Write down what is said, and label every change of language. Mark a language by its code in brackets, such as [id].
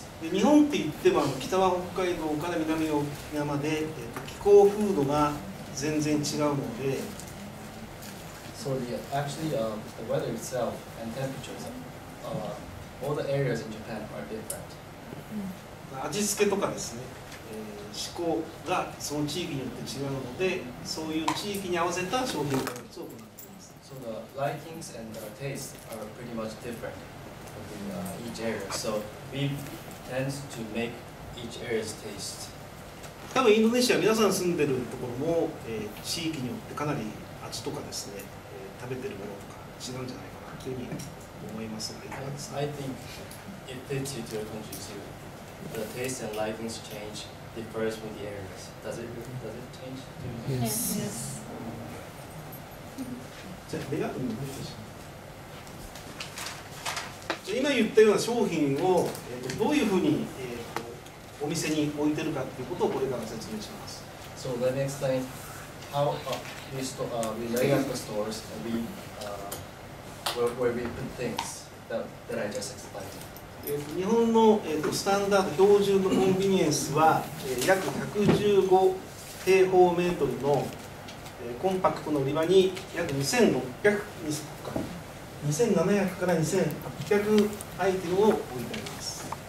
[ja] で日本って言っても北は北海道から南は沖縄まで気候風土が全然違うので、 [en] so actually the weather itself and temperatures all the areas in Japan are different。 [ja] 味付けとかですね。思考がその地域によって違うので、そういう地域に合わせた商品開発を行っています。 [en] So the likings and the tastes are pretty much different in each area. So we tend to make each area's taste. [ja] 多分インドネシア皆さん住んでるところも、地域によってかなり味とかですね、食べてるものとか違うんじゃないかなというふうに思いますが、いかがですか。 [en] I think it fits you to your country too. The taste and likings change. Differs with the areas. Does it change? Yes. Yes. [ja] 今言ったような商品をどういうふうにお店に置いてるかということをこれから説明します。 [en] So let me explain how we lay out the stores and where we put things that I just explained. [ja] 日本のスタンダード標準のコンビニエンスは約115平方メートルのコンパクトの売り場に約2700から2800アイテムを置いてあります。